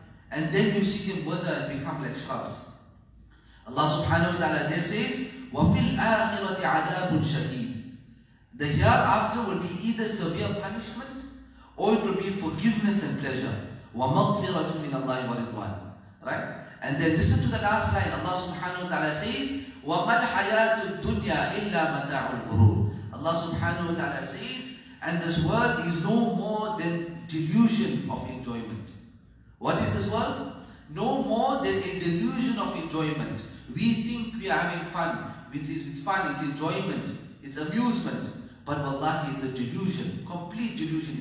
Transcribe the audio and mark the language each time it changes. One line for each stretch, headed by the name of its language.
English: And then you see them wither and become like shrubs. Allah subhanahu wa ta'ala then says,
Arabic: وَفِي الْآخِرَةِ عَذَابٌ شَدِيدٌ.
English: The hereafter will be either severe punishment or it will be forgiveness and pleasure.
Arabic: وَمَغْفِرَةٌ مِنَ اللَّهِ وَرِضْوَانٌ.
English: Right? And then listen to the last line. Allah subhanahu wa ta'ala says,
Arabic: وَمَا الْحَيَاةُ الدُّنْيَا إِلَّا مَتَاعُ الْغُرُورِ.
English: Allah subhanahu wa ta'ala says, and this world is no more than delusion of enjoyment. What is this world? No more than a delusion of enjoyment. We think we are having fun. It's fun, it's enjoyment, it's amusement. But wallahi, it's a delusion, complete delusion.